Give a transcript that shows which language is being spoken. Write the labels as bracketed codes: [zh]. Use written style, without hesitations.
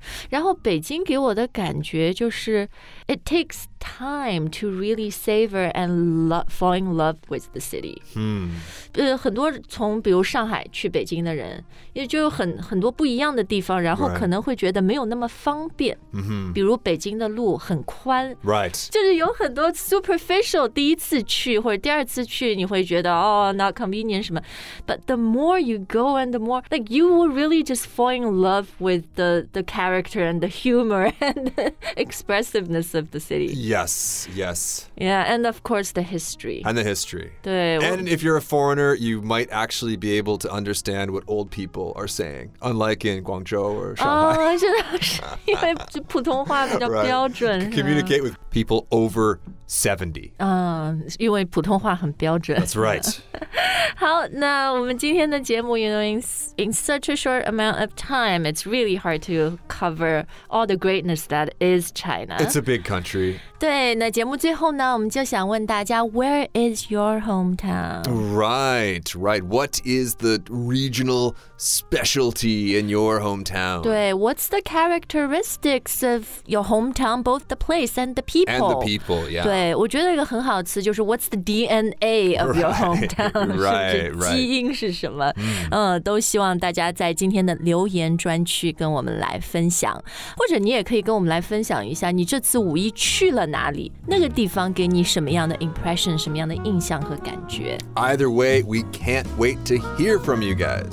[zh] 然后北京给我的感觉就是 [en] it takes time to really savor and fall in love with the city. [zh] 很多从比如上海去北京的人也就有 很多不一样的地方然后可能会觉得没有那么方便、 [en] right. [zh] 比如北京的路很宽、 [en] right. [zh] 就是有很多 [en] superficial [zh] 第一次去或者第二次去你会觉得、 [en] oh, not convenient [zh] 什么 [en] but the more you go and the more like you will really just fall in love with the character and the humor and the expressiveness of the city. Yes, yes. Yeah, and of course the history. And the history. [zh] 对 [en] And if you're a foreigner, you might actually be able to understand what old people are saying, unlike in Guangzhou or Shanghai. [zh] 真的是因为普通话比较标准。 [en] Communicate with people over 70. [zh] 因为普通话很标准。 [en] That's right. [zh] 好那我们今天的节目 [en] you know, in such a short amount of time, it's really hard to cover all the greatness that is China. It's a big country. [zh] 对那节目最后呢我们就想问大家 [en] where is your hometown? Right, right. What is the regional specialty in your hometown? 对 what's the characteristics of your hometown, both the place and the people? And the people, yeah. [zh] 对我觉得一个很好词就是 [en] what's the DNA of your hometown? Right, right. [zh] 基因是什么、都希望大家在今天的留言专区跟我们来分享或者你也可以跟我们来分享一下你这次五一去了哪里那个地方给你什么样的 impression 什么样的印象和感觉 [en] Either way, we can't wait to hear from you guys